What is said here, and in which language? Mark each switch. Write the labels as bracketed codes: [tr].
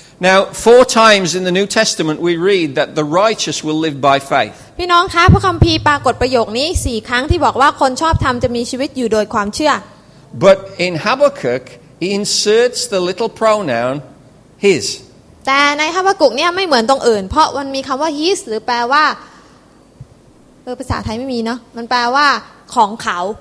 [en] Now 4 times in the New Testament we read that the righteous will live by faith [th] พี่น้องคะพระคัมภีร์ปรากฏประโยคนี้4ครั้งที่บอกว่าคนชอบธรรมจะมีชีวิตอยู่โดยความเชื่อ [en] But in Habakkuk he inserts the little pronoun his [th] แต่ในฮาบากุกเนี่ยไม่เหมือนตรงอื่นเพราะมันมีคำว่า his หรือแปลว่าภาษาไทยไม่มีเนาะมันแปลว่าของเขา